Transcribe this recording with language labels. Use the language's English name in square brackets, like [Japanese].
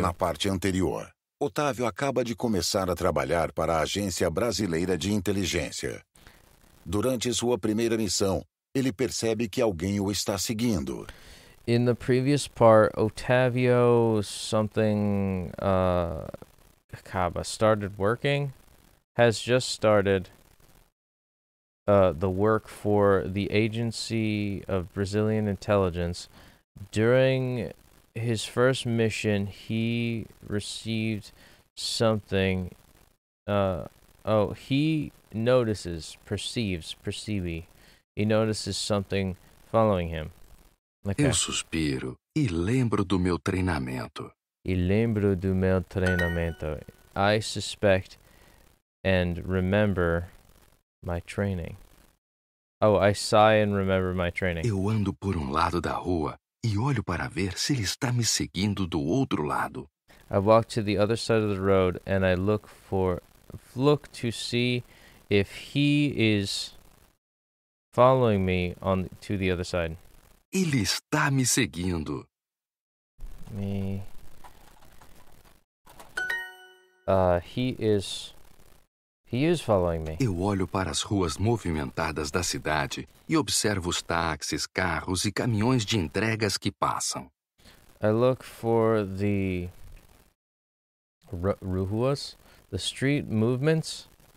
[Portuguese] Na parte anterior, Otávio acaba de começar a trabalhar para a Agência Brasileira de Inteligência. Durante sua primeira missão, ele percebe que alguém o está seguindo. [English] In the previous part, Otávio something acaba started working, has just started the work for the Agency of Brazilian Intelligence. During his first mission, he received something. He notices, perceives. He notices something following him. [Portuguese] Okay. Eu suspiro e lembro do meu treinamento. E lembro do meu treinamento. [English] I suspect and remember my training. Oh, I sigh and remember my training. [Portuguese] Eu ando por lado da rua. E olho para ver se ele está me seguindo do outro lado. [English] I walk to the other side of the road and I look to see if he is following me on to the other side. [Portuguese] Ele está me seguindo. Me. [English] He is following me. [Portuguese] Eu olho para as ruas movimentadas da cidade e observo os táxis, carros e caminhões de entregas que passam. [English] I look for the ruas, the street movements.